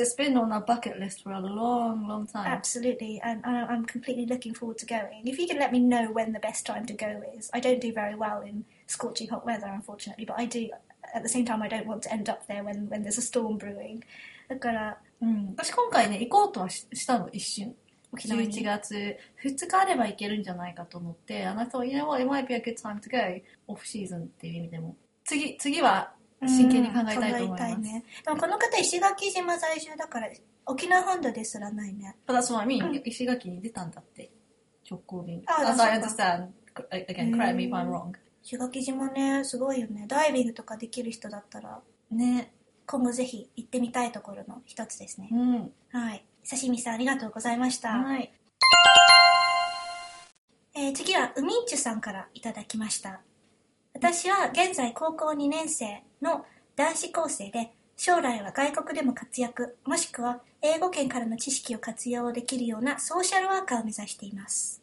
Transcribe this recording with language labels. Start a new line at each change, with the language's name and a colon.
English: It's been on our bucket list for a long, long time. Absolutely, and I'm completely looking forward to going. If you can let me know when the best time to go is, I don't do very well in scorching hot weather, unfortunately, but I do. At the same time, I don't want to end up there when there's a storm brewing.
Japanese: だから、うん、私今回ね行こうとは したの一瞬。 11月2日あれば行けるんじゃないかと思って、あなたは今は
English: It might be a good time to go off season
Japanese: っていう意味でも、次は真剣に考えたいと思います。ね、でもこの方石垣島在住だから沖縄本土ですらないね。
English: But that's what I mean.、
Japanese: うん、石垣に出たんだって直行便。
English: As I understand, again, correct me if I'm wrong.
Japanese: 石垣島ね、すごいよね。ダイビングとかできる人だったら、ね、今後ぜひ行ってみたいところの一つですね。うん、はい。刺身さん、ありがとうございました。はい。次は、ウミンチュさんからいただきました。私は現在高校2年生の男子高生で、将来は外国でも活躍、もしくは英語圏からの知識を活用できるようなソーシャルワーカーを目指しています。